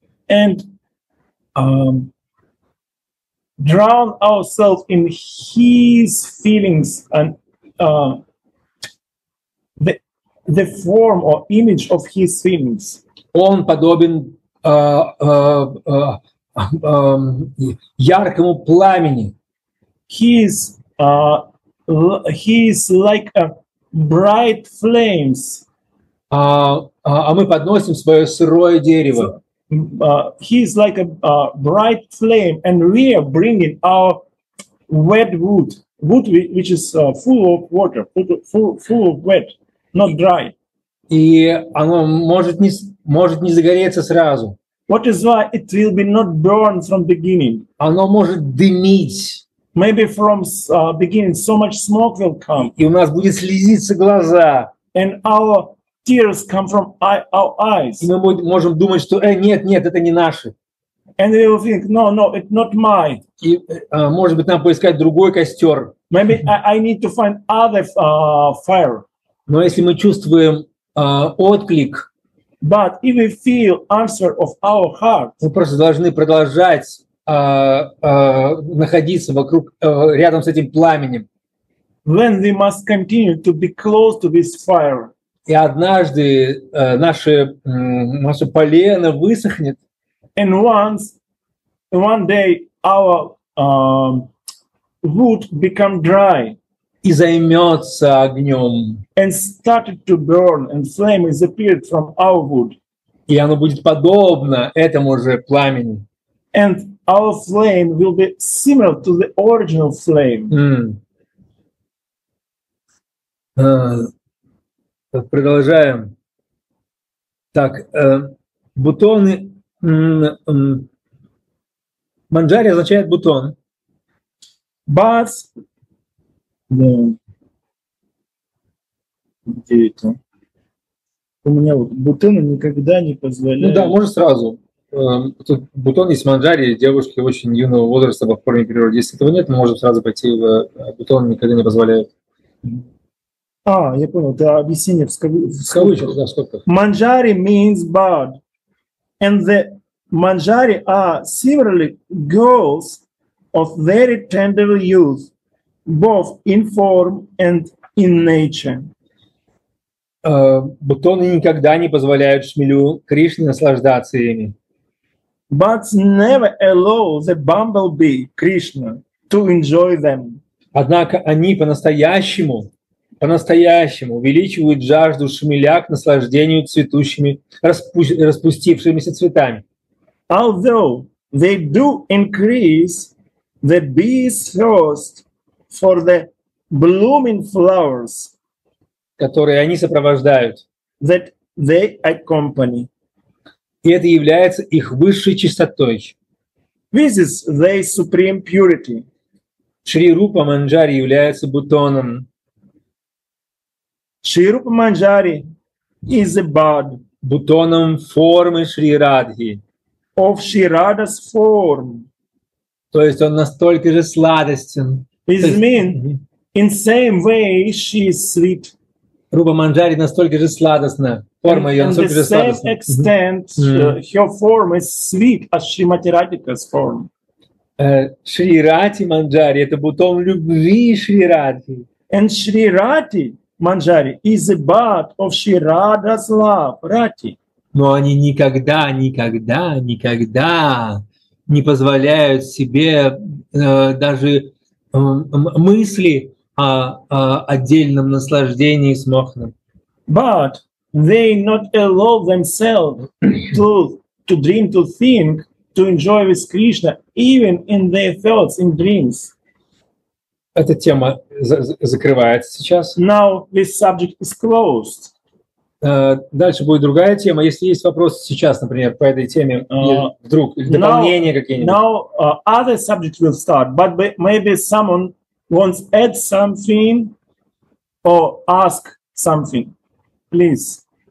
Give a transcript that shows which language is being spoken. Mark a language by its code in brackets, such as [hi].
[en] And drown ourselves in his feelings and the form or image of his feelings. [ru] Он подобен яркому пламени. [en] He is like a bright flames. [ru] А мы подносим свое сырое дерево. [en] He is like a bright flame, and we are bringing our wet wood which is full of water, full of wet. Not dry. [ru] И оно может не загореться сразу. [en] What is why it will be not burn from beginning. [ru] Оно может дымить. [en] Maybe from beginning so much smoke will come. [ru] И у нас будет слезиться глаза. [en] And our tears come from our eyes. [ru] И мы можем думать, что нет, это не наше. [en] And we will think, no, it's not mine. [ru] И может быть нам поискать другой костер. [en] Maybe I need to find other fire. [ru] Но если мы чувствуем отклик, [en] but if we feel answer of our heart, [ru] мы просто должны продолжать находиться вокруг, рядом с этим пламенем. [en] Then we must continue to be close to this fire. [ru] И однажды наше полено высохнет. [en] And one day our wood become dry. [ru] И займется огнем. [en] And started to burn, and flame is appeared from our wood. [ru] И оно будет подобно этому же пламени. [en] And our flame will be similar to the original flame. [ru] Продолжаем. Так, бутоны. Манджари означает бутон. Бац. Да. Где это? У меня вот бутоны никогда не позволяют. Ну да, можешь сразу. тут бутон есть в манжаре, девушки очень юного возраста в форме природы. Если этого нет, мы можем сразу пойти в бутон, никогда не позволяют. А, я понял, это объяснение в скобках. Да, в скобках. [en] Манжари means bud. And the manjari are similarly girls of very tender youth, both in form and in nature. [ru] Бутоны никогда не позволяют шмелю Кришне наслаждаться ими. [en] Buds never allow the bumblebee Krishna to enjoy them. [ru] Однако они по-настоящему увеличивают жажду шмеля к наслаждению цветущими, распустившимися цветами. [en] Although they do increase the bee's thirst for the blooming flowers, [ru] которые они сопровождают, [en] that they accompany. [ru] И это является их высшей чистотой. [en] This is their supreme purity. [ru] Шри Рупа Манджари является бутоном. [en] Шри Рупа Манджари is a bud. [ru] Бутоном формы Шри Радхи. [en] Of Shri Radha's form. [ru] То есть он настолько же сладостен. [en] This means, in same way, she is sweet. [ru] Рупа Манджари настолько же сладостна. Форма ее настолько же сладостна. [en] To the same extent, her form is sweet as Shrimati Radhika's form. [ru] Шри Рати Манджари – это бутон любви Шри Радхи. [en] And Shri Rati Manjari is a bud of Shri Radha's love, Rati. [ru] Но они никогда, никогда, никогда не позволяют себе даже мысли о отдельном наслаждении с Мохном. [en] But they not allow themselves to dream, to think, to enjoy with Krishna, even in their thoughts, in dreams. [ru] Эта тема закрывается сейчас. [en] Now this subject is closed. [ru] Дальше будет другая тема. Если есть вопросы сейчас, например, по этой теме, вдруг дополнения какие-нибудь. [en] Now other subject will start, but maybe someone wants add something or ask something, please.